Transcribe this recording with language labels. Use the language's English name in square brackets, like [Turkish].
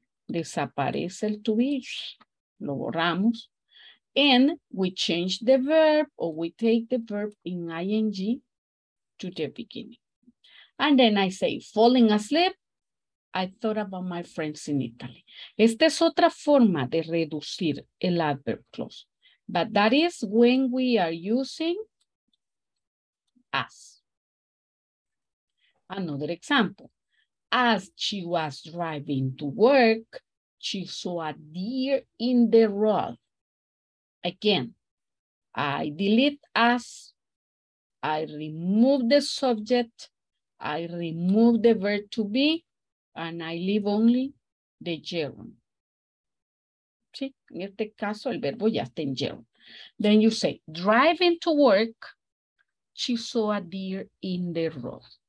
[Spanish] Desaparece el to be, lo borramos. [English] And we change the verb, or we take the verb in ing to the beginning. And then I say, falling asleep, I thought about my friends in Italy. [Spanish] Esta es otra forma de reducir el adverb clause. [English] But that is when we are using as. Another example. As she was driving to work, she saw a deer in the road. Again, I delete as, I remove the subject, I remove the verb to be, and I leave only the gerund. [Spanish] Sí, en este caso el verbo ya está en gerund. [English] Then you say, driving to work, she saw a deer in the road.